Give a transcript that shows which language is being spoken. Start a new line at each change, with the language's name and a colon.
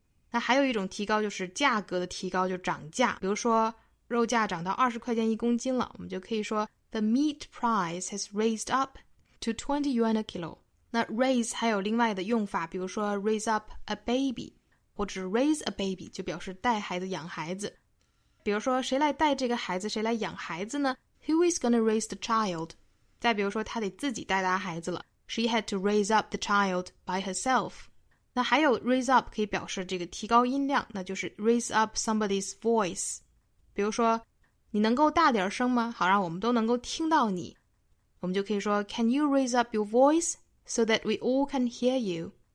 Chinese: 那还有一种提高就是价格的提高，就涨价，比如说肉价涨到20块钱一公斤了，我们就可以说
English: The meat price has raised up to 20 yuan a kilo.
Chinese: 那 raise 还有另外的用法，比如说
English: raise up a baby,
Chinese: 或者
English: raise a baby
Chinese: 就表示带孩子养孩子。比如说谁来带这个孩子，谁来养孩子呢？
English: Who is going to raise the child?
Chinese: 再比如说她得自己带大孩子了。
English: She had to raise up the child by herself.
Chinese: 那还有 raise up 可以表示这个提高音量，那就是
English: raise up somebody's voice.
Chinese: 比如说你能够大点声吗？好让我们都能够听到你。我们就可以说
English: Can you raise up your voice so that we all can hear you?